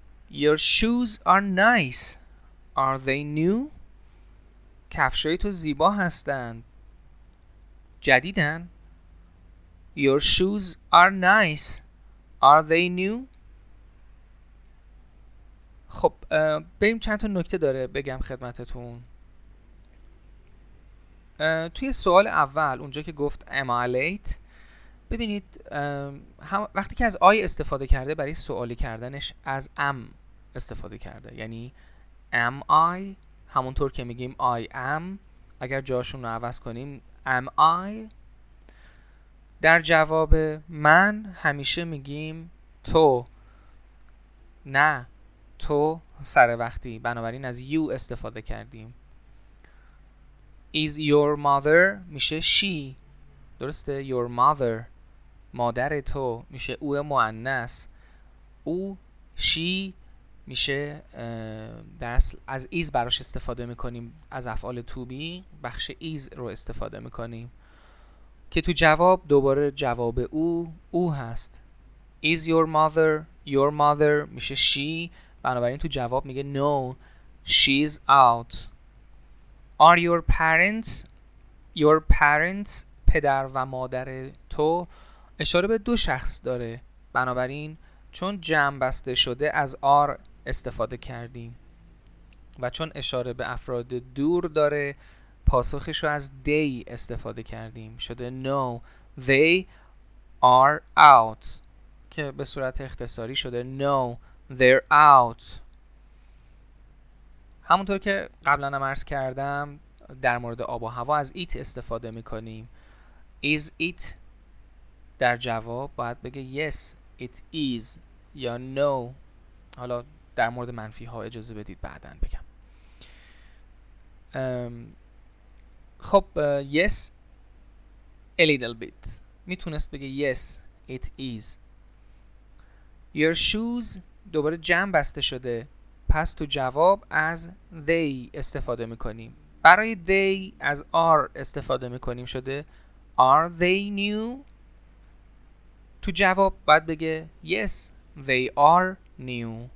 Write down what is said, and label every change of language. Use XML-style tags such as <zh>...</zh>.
<en>Your shoes are nice. Are they new?</en> <fa>کفشای تو زیبا هستن. جدیدن؟</fa> <en>Your shoes are nice. Are they new?</en> <fa>خب بریم چند تا نکته داره بگم خدمتتون. توی سوال اول اونجا که گفت</fa> <en>am I late،</en> <fa>ببینید وقتی که از I استفاده کرده برای سوالی کردنش از am استفاده کرده، یعنی am I، همونطور که میگیم</fa> <en>I am،</en> <fa>اگر جاشون رو عوض کنیم am I. در جواب من همیشه میگیم تو، نه تو سر وقتی، بنابراین از you استفاده کردیم.</fa> <en>Is your mother</en> <fa>میشه she، درسته؟ Your mother، مادر تو میشه او مؤنث، او she میشه در اصل از is براش استفاده میکنیم، از افعال to be بخش is رو استفاده میکنیم که تو جواب دوباره جواب او هست.</fa> <en>Is your mother your mother میشه she،</en> <fa>بنابراین تو جواب میگه</fa> <en>no she's out. Are your parents your parents،</en> <fa>پدر و مادر تو، اشاره به دو شخص داره، بنابراین چون جمع بسته شده از are استفاده کردیم و چون اشاره به افراد دور داره پاسخش رو از they استفاده کردیم، شده</fa> <en>no they are out،</en> <fa>که به صورت اختصاری شده</fa> <en>no they're out.</en> <fa>همونطور که قبلا هم عرض کردم در مورد آب و هوا از it استفاده میکنیم. Is it در جواب باید بگه</fa> <en>yes it is</en> <fa>یا no، حالا در مورد منفی ها اجازه بدید بعدن بگم. خب</fa> <en>yes a little bit،</en> <fa>میتونست بگه</fa> <en>yes it is.</en> <fa>Your shoes، دوباره جمع بسته شده، پس تو جواب از they استفاده میکنیم، برای they از are استفاده میکنیم، شده</fa> <en>are they new.</en> <fa>تو جواب باید بگه</fa> <en>yes they are new.</en>